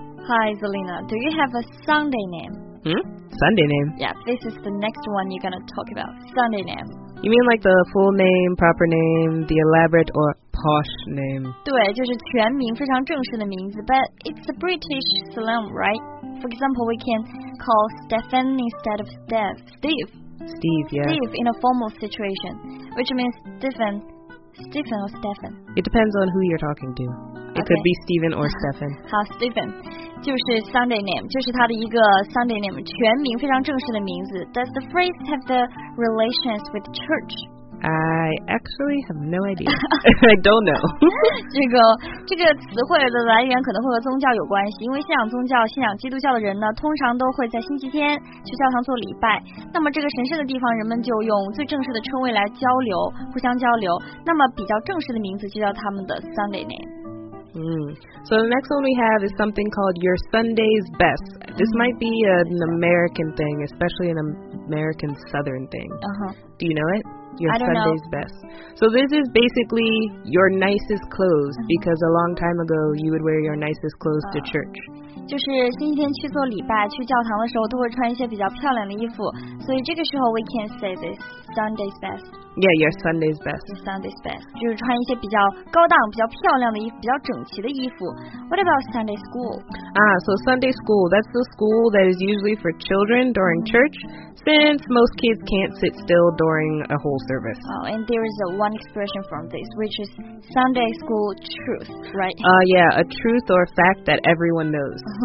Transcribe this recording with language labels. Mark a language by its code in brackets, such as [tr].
[en] Hi, Zelina. Do you have a Sunday name? Sunday name? Yeah, this is the next one you're going to talk about. Sunday name. You mean like the full name, proper name, the elaborate or... posh name. [zh] 对，就是全名，非常正式的名字。 [en] But it's a British slang, right? For example, we can call Stephen instead of Steph. Steve, yeah. Steve in a formal situation, which means Stephen or Stephen. It depends on who you're talking to. It could be Stephen or Stephen. [zh] 好 ，Stephen 就是 Sunday name， 就是他的一个 Sunday name， 全名非常正式的名字。 [en] Does the phrase have the relations with church? I actually have no idea. I don't know. [zh] 这个词汇的来源可能会和宗教有关系，因为信仰宗教、信仰基督教的人呢，通常都会在星期天去教堂做礼拜。那么这个神圣的地方，人们就用最正式的称谓来交流，互相交流。那么比较正式的名字就叫他们的 Sunday name。 [en] So the next one we have is something called your Sunday's best. This might be an American thing, especially an American Southern thing. Do you know it? your Sunday's best. So this is basically your nicest clothes, because a long time ago you would wear your nicest clothes to church. [zh] 就是星期天去做礼拜，去教堂的时候都会穿一些比较漂亮的衣服，所以这个时候 [en] we can say this Sunday's best. Yeah, your Sunday's best. Your Sunday's best. [zh] 就是穿一些比较高档、比较漂亮的衣服、比较整齐的衣服。 [en] What about Sunday school? So Sunday school, that's the school that is usually for children during church, since most kids can't sit still during a whole service. Oh, and there is one expression from this, which is Sunday school truth, right? A truth or fact that everyone knows.